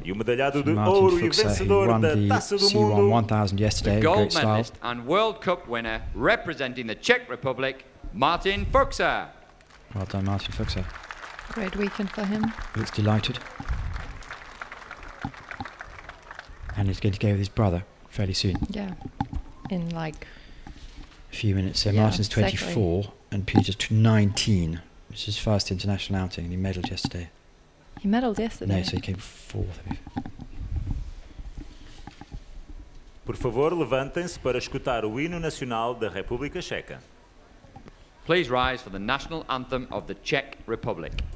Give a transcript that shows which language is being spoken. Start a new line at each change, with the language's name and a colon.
Portuguese: E o medalhado de ouro e vencedor da Taça do Mundo.
English: The gold medalist and World Cup winner representing the Czech Republic, Martin Fuchsa. Well done, Martin Fuchsa. Great weekend for him. He looks delighted. And he's going to go with his brother fairly soon. Yeah, in like... a few minutes. So yeah, Martin's 24 exactly. And Peter's 19. This is his first international outing and he medalled yesterday. He medalled yesterday? No, so he came fourth.
Portuguese: Por favor, levantem-se para escutar o hino nacional da República Checa.
English: Please rise for the national anthem of the Czech Republic.